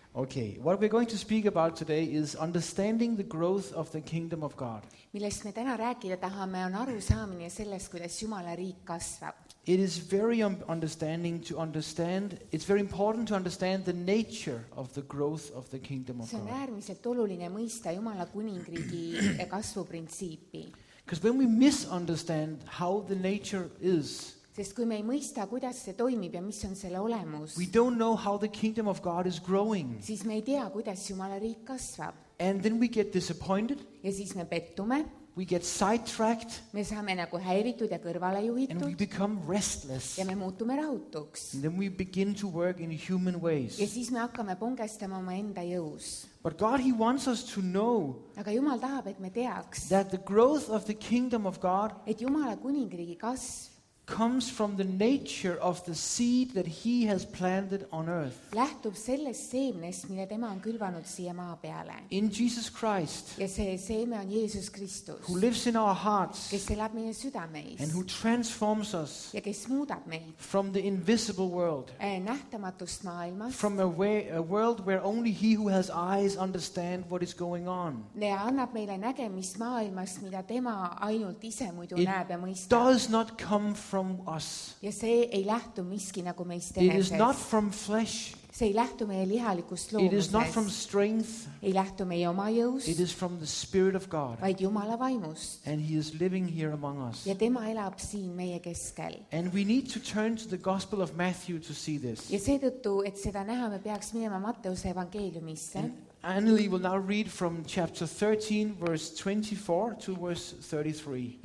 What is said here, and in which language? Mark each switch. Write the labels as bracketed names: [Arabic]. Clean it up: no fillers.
[English] Okay, what we're going to speak about today is understanding the growth of the kingdom of God. [Estonian] Millest me täna rääkida tahame on aru saamine sellest, kuidas Jumala riik kasvab. [English] It is very understanding to understand, it's very important to understand the nature of the growth of the kingdom of God. [Estonian] See on äärmiselt oluline mõista Jumala kuningriigi kasvu printsiipi. [English] Because when we misunderstand how the nature is, [Estonian] sest kui me ei mõista, kuidas see toimib ja mis on selle olemus, [English] we don't know how the kingdom of God is growing. [Estonian] Siis me ei tea, kuidas Jumala riik kasvab. [English] And then we get disappointed. [Estonian] Ja siis me pettume. [English] We get sidetracked. [Estonian] Me saame nagu häiritud ja kõrvale juhitud. [English] And we become restless. [Estonian] Ja me muutume rahutuks. [English] And then we begin to work in human ways. [Estonian] Ja siis me hakkame pongestama oma enda jõus. [English] But God, he wants us to know, [Estonian] aga Jumal tahab, et me teaks, [English] that the growth of the kingdom of God, [Estonian] et Jumala kuningriigi kasv, [English] comes from the nature of the seed that he has planted on earth. [Estonian] Lähtub sellest seemnest, mille tema on külvanud siia maa peale. [English] In Jesus Christ. [Estonian] Ja see seeme on Jeesus Kristus. [English] Who lives in our hearts. [Estonian] Kes elab meie südameis. [English] And who transforms us. [Estonian] Ja kes muudab meid. [English] From the invisible world. [Estonian] Nähtamatust maailmast. [English] From a world where only he who has eyes understand what is going on. [Estonian] Ja annab meile nägemist maailmast, mida tema ainult ise muidu näeb ja mõistab. [English] It does not come from us. [Estonian] Ja see ei lähtu miski nagu meist eneses. [English] It is not from flesh. [Estonian] See ei lähtu meie lihalikust loomusest. [English] It is not from strength. [Estonian] Ei lähtu meie oma jõust. [English] It is from the Spirit of God. [Estonian] Vaid Jumala vaimust. [English] And he is living here among us. [Estonian] Ja tema elab siin meie keskel. [English] And we need to turn to the Gospel of Matthew to see this. [Estonian] Ja seetõttu, et seda näha, me peaks minema Matteuse evangeeliumisse. [English] Annelie will now read from chapter 13, verse 24 to verse 33.